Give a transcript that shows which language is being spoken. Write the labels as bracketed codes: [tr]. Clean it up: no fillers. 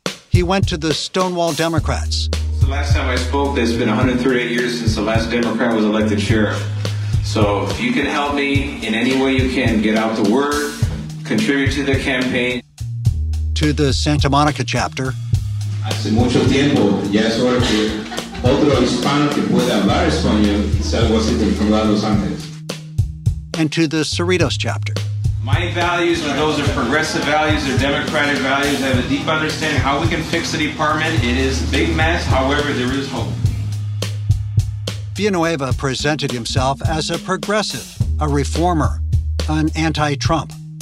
[en] He went to the Stonewall Democrats. The last time I spoke, there's been 138 years since the last Democrat was elected sheriff. So if you can help me in any way you can, get out the word, contribute to the campaign. To the Santa Monica chapter. [es] Hace mucho tiempo, ya es hora que otro hispano que pueda hablar español se algo así como de Los Ángeles. [en] And to the Cerritos chapter. My values are those of progressive values or democratic values. I have a deep understanding of how we can fix the department. It is a big mess. However, there is hope. Villanueva presented himself as a progressive, a reformer, an anti-Trump.